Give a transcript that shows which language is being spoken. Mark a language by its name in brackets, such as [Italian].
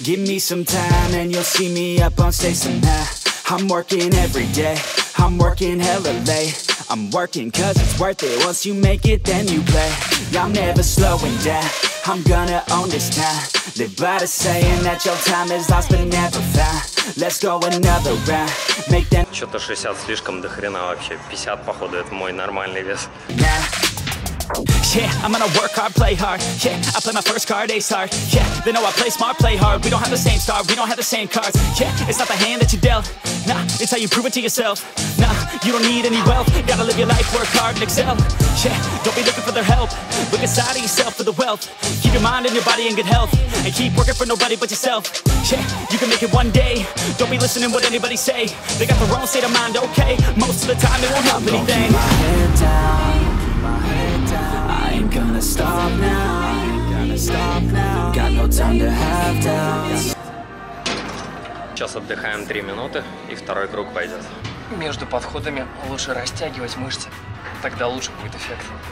[English] Give me some time and you'll see me up on stage somehow. I'm working every day. I'm working hella late. I'm working cause it's worth it. Once you make it, then you play. Y'all never slowing down. I'm gonna own this town. Live by the saying that your time is lost but never found. Let's go another round. Make them. [Russian] Что-то 60 слишком до хрена вообще. 50, походу, это мой нормальный вес. [English] Yeah, I'm gonna work hard, play hard. Yeah, I play my first card, ace hard. Yeah, they know I play smart, play hard. We don't have the same star, we don't have the same cards. Yeah, it's not the hand that you dealt. Nah, it's how you prove it to yourself. Nah, you don't need any wealth. Gotta live your life, work hard and excel. Yeah, don't be looking for their help. Look inside of yourself for the wealth. Keep your mind and your body in good health. And keep working for nobody but yourself. Yeah, you can make it one day. Don't be listening what anybody say. They got the wrong state of mind, okay. Most of the time it won't help anything. Don't keep my head down. [Russian] Сейчас отдыхаем 3 минуты, и второй круг пойдет. Между подходами лучше растягивать мышцы, тогда лучше будет эффект.